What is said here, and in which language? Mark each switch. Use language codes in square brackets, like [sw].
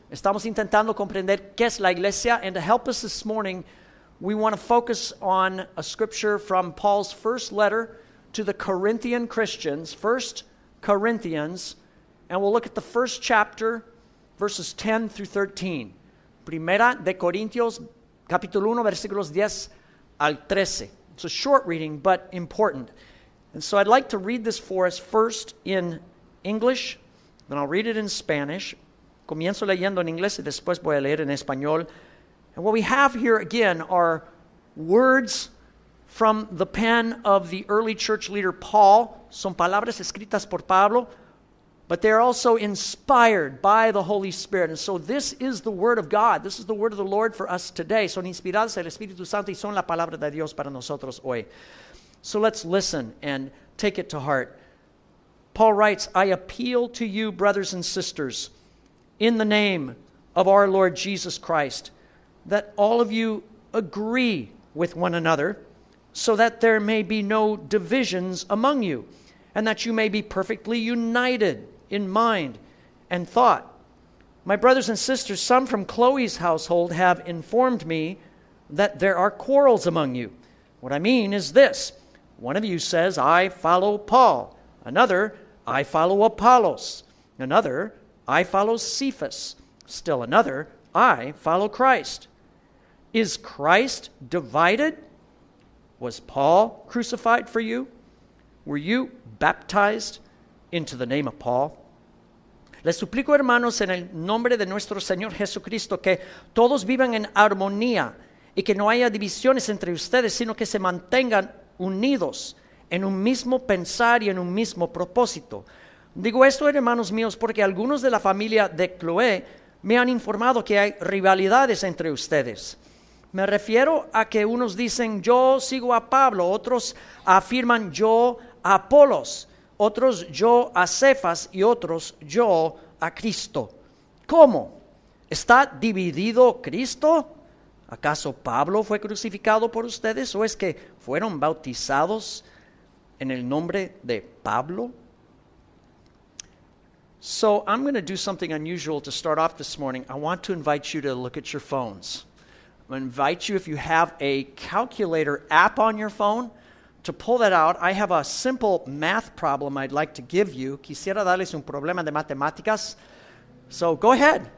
[es] Estamos intentando comprender qué es la iglesia. [en] And to help us this morning, we want to focus on a scripture from Paul's first letter to the Corinthian Christians, 1 Corinthians, and we'll look at the first chapter, verses 10 through 13. [es] Primera de Corintios, capítulo 1, versículos 10 al 13. [en] It's a short reading, but important. And so I'd like to read this for us first in English, then I'll read it in Spanish. [es] Comienzo leyendo en inglés y después voy a leer en español. [en] And what we have here again are words from the pen of the early church leader Paul. [es] Son palabras escritas por Pablo, [en] but they are also inspired by the Holy Spirit. And so this is the word of God. This is the word of the Lord for us today. [es] Son inspiradas el Espíritu Santo y son la palabra de Dios para nosotros hoy. [en] So let's listen and take it to heart. Paul writes, I appeal to you, brothers and sisters, in the name of our Lord Jesus Christ, that all of you agree with one another so that there may be no divisions among you and that you may be perfectly united in mind and thought. My brothers and sisters, some from Chloe's household have informed me that there are quarrels among you. What I mean is this. One of you says, I follow Paul. Another, I follow Apollos. Another, I follow Cephas. Still another, I follow Christ. Is Christ divided? Was Paul crucified for you? Were you baptized into the name of Paul? [es] Les suplico, hermanos, en el nombre de nuestro Señor Jesucristo, que todos vivan en armonía y que no haya divisiones entre ustedes, sino que se mantengan unidos en un mismo pensar y en un mismo propósito. Digo esto, hermanos míos, porque algunos de la familia de Chloe me han informado que hay rivalidades entre ustedes. Me refiero a que unos dicen, yo sigo a Pablo, otros afirman, yo a Apolos, otros yo a Cefas y otros yo a Cristo. ¿Cómo? ¿Está dividido Cristo? ¿Acaso Pablo fue crucificado por ustedes o es que fueron bautizados en el nombre de Pablo? [en] So I'm going to do something unusual to start off this morning. I want to invite you to look at your phones. I'm going to invite you, if you have a calculator app on your phone, to pull that out. I have a simple math problem I'd like to give you. [es] Quisiera darles un problema de matemáticas. [en] So go ahead.